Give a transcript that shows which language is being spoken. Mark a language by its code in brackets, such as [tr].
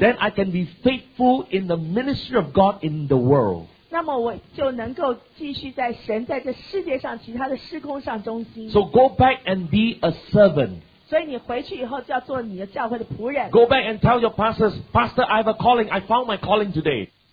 [en] Then I can be faithful in the ministry of God in the world. [zh] 那么我就能够继续在神在这世界上其他的事工上忠心。 [en] So go back and be a servant. [zh] 所以你回去以后就要做你的教会的仆人。 [en] Go back and tell your pastors, Pastor, I have a calling. I found my calling today.